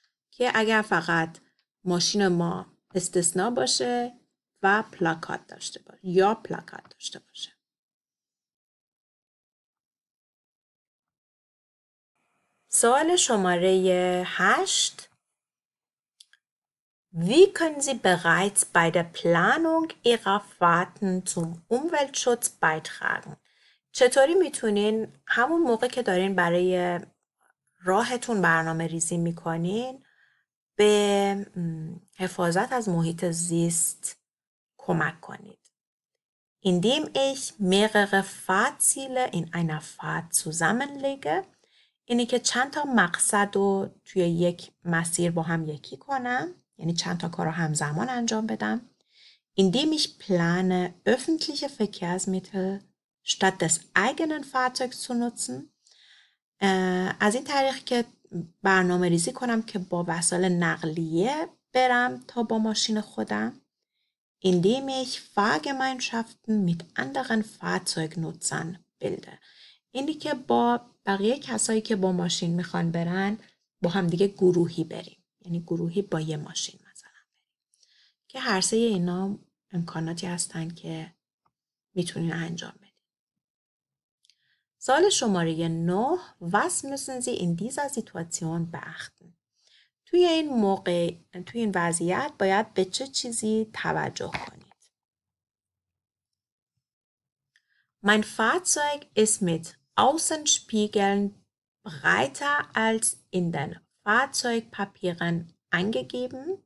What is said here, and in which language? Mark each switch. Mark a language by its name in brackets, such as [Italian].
[Persian] که اگر فقط ماشین ما استثناء باشه و پلاکات داشته باشه یا پلاکات داشته باشه. سوال شماره 8 [German] Wie können Sie bereits bei der Planung Ihrer Fahrten zum Umweltschutz beitragen? [Persian] چطوری میتونین همون موقع که دارین برای راهتون برنامه ریزی میکنین به حفاظت از محیط زیست کمک کنید؟ [German] Indem ich mehrere Fahrziele in einer Fahrt zusammenlege, [Persian] اینه که چند تا مقصد رو توی یک مسیر با هم یکی کنم، یعنی چند تا کار رو همزمان انجام بدم. [German] Indem ich plane, öffentliche Verkehrsmittel statt des eigenen Fahrzeugs zu nutzen. [Persian] از این طریق که برنامه ریزی کنم که با وسایل نقلیه برم تا با ماشین خودم. [German] Indem ich Fahrgemeinschaften mit anderen Fahrzeugen nutzen bilde. [Persian] اینی که با بقیه کسایی که با ماشین میخوان برن با هم دیگه گروهی بریم، یعنی گروهی با یه ماشین مثلا بریم، که هر سه اینا امکاناتی هستن که میتونین انجام بدین. سوال شماره 9، [German] was müssen Sie in dieser Situation beachten؟ [Persian] توی این موقع، توی این وضعیت باید به چه چیزی توجه کنید؟ [German] Mein Fahrzeug ist mit Außenspiegeln breiter als in den Fahrzeugpapieren angegeben.